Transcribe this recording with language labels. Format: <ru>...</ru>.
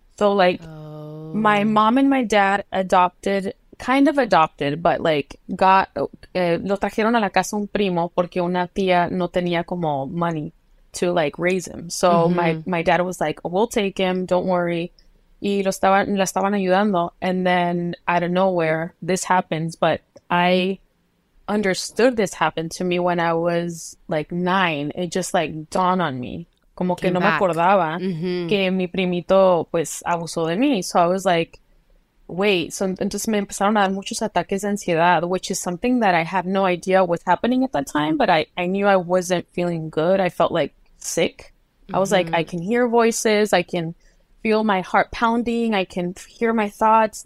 <en>So, like, my mom and my dad</en> <es>lo trajeron a la casa un primo porque una tía no tenía como</es> <en>money to, like, raise him. So mm-hmm. my dad was like, oh, we'll take him, don't worry.</en> <es>Y la estaban ayudando.</es> <en>And then out of nowhere, this happens. But I understood this happened to me when I was, like, 9. It just, like, dawned on me.</en> <es>Como que no me acordaba que mi primito, pues, abusó de mí.</es> <en>So I was like, wait, so</en> <es>entonces me empezaron a dar muchos ataques de ansiedad,</es> <en>which is something that I had no idea was happening at that time, but I knew I wasn't feeling good. I felt like sick. Mm-hmm. I was like, I can hear voices. I can feel my heart pounding. I can hear my thoughts.</en>